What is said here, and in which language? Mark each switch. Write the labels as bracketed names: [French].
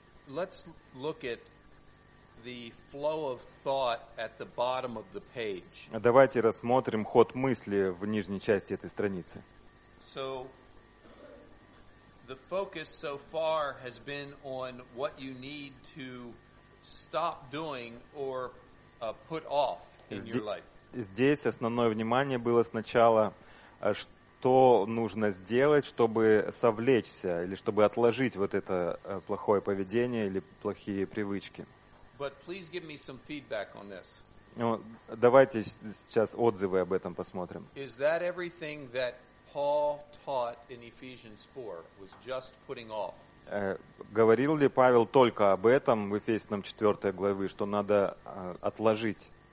[English] Let's look at the flow of thought at the bottom of the page. [Russian] Давайте рассмотрим ход мысли в нижней части этой страницы. [English] So the focus so far has been on what you need to stop doing or put off in your life. [Russian] Здесь основное внимание было сначала, что нужно сделать, чтобы совлечься или чтобы отложить вот это плохое поведение или плохие привычки. [English] But please give me some feedback on this. [Russian] Давайте сейчас отзывы об этом посмотрим. [English] Is that everything that Paul taught in Ephesians 4 was just putting off? [Russian] Говорил ли Павел только об этом в Ефесянам 4 главе, что надо отложить?